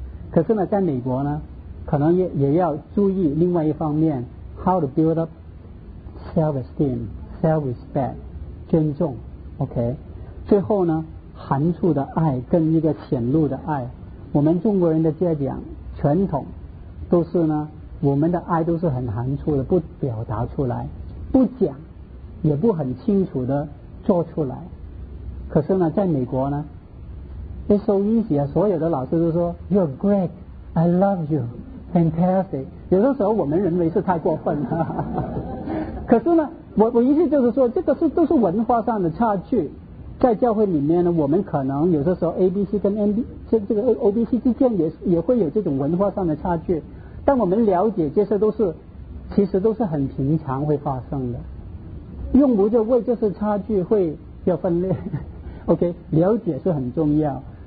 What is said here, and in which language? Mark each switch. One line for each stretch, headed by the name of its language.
Chinese: 可是呢，在美国呢，可能也要注意另外一方面，
English: how to build up self-esteem, self-respect,
Chinese: 尊重 OK。最后呢，含蓄的爱跟一个显露的爱，我们中国人的家长传统都是呢，我们的爱都是很含蓄的，不表达出来，不讲，也不很清楚的做出来。可是呢，在美国呢，
English: it's so easy
Chinese: 啊，所有的老师都说
English: you're great, I love youFantastic。
Chinese: 有的时候我们认为是太过分了可是呢，我意思就是说，这个是都是文化上的差距。在教会里面呢，我们可能有的时候 ABC 跟 MB 这个 OBC 之间也会有这种文化上的差距，但我们了解这些都是其实都是很平常会发生的，用不着为这些差距会要分裂OK， 了解是很重要。